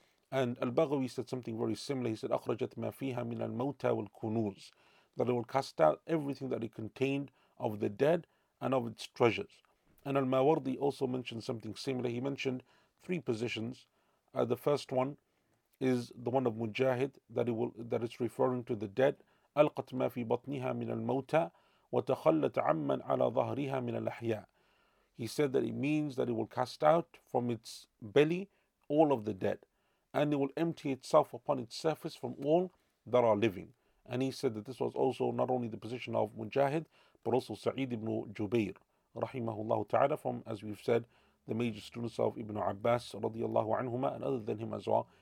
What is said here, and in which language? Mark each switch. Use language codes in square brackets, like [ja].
[en] And Al-Baghawi said something very similar. He said, [ar] أخرجت ما فيها من الموتى والكنوز, [en] that it will cast out everything that it contained of the dead and of its treasures. And Al-Mawardi also mentioned something similar. He mentioned three positions. The first one is the one of Mujahid, that it's referring to the dead. [ar] ألقت ما في بطنها من الموتى وتخلت عمن على ظهرها من الأحياء. [en] He said that it means that it will cast out from its belly all of the dead, and it will empty itself upon its surface from all that are living. And he said that this was also not only the position of Mujahid, but also Sa'id ibn Jubayr, rahimahullah ta'ala, from, as we've said, the major students of Ibn Abbas, radiyallahu anhuma, and other than him as well.